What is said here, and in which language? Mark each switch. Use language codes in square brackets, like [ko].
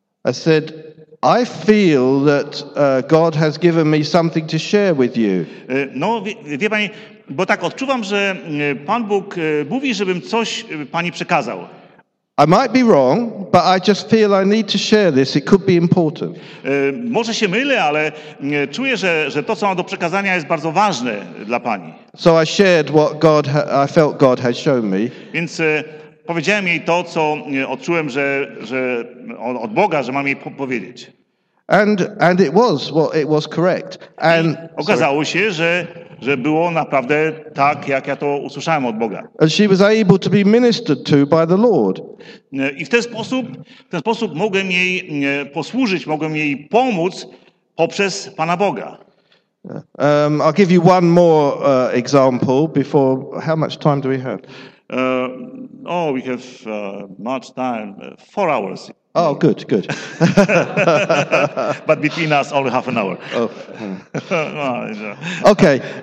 [en] I said, I feel that God has given me something to share with you. [pl] No, wie pani, bo tak odczuwam, że Pan Bóg mówi, żebym coś pani przekazał. [en] I might be wrong, but I just feel I need to share this. It could be important. [pl] Może się mylę, ale czuję, że to, co mam do przekazania, jest bardzo ważne dla pani. [en] So I shared what God I felt God had shown me. [pl] Więc powiedziałem jej to, co odczułem, że od Boga, że mam jej powiedzieć. [en] And it was, well, it was correct. And [pl] okazało się, że było naprawdę tak, jak ja to usłyszałem od Boga. [en] And she was able to be ministered to by the Lord. [pl] I w ten sposób mogłem jej posłużyć, mogłem jej pomóc poprzez Pana Boga. [en] I'll give you one more example before. How much time do we have? We have much time. 4 hours. Oh, good, good. But between us, only half an hour. Oh. Okay.